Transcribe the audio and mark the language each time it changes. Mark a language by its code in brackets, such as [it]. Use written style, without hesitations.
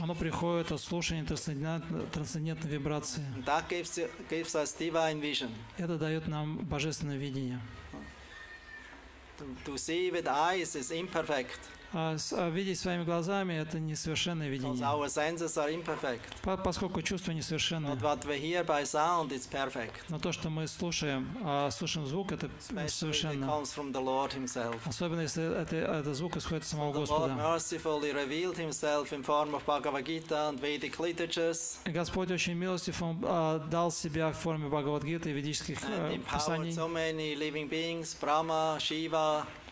[ru] Оно приходит от слушания трансцендентной вибрации. [en] That gives us divine vision. [ru] Это дает нам божественное видение. [en] To see with eyes is imperfect. [ru] Видеть своими глазами — это несовершенное видение. [en] Our senses are imperfect. [ru] Поскольку чувства несовершенны. [en] But what we hear by sound is perfect. [ru] Но то, что мы слушаем, слушаем звук — это совершенно. [en] Comes from the Lord himself. [ru] Особенно если это звук исходит от самого Господа. [en] The Lord mercifully revealed himself in form of Bhagavad Gita and Vedic liturgies. [ru] Господь очень милостив, он дал себя в форме Бхагавад Гиты и ведических писаний. [en] And empowered so many living beings: Brahma, Shiva.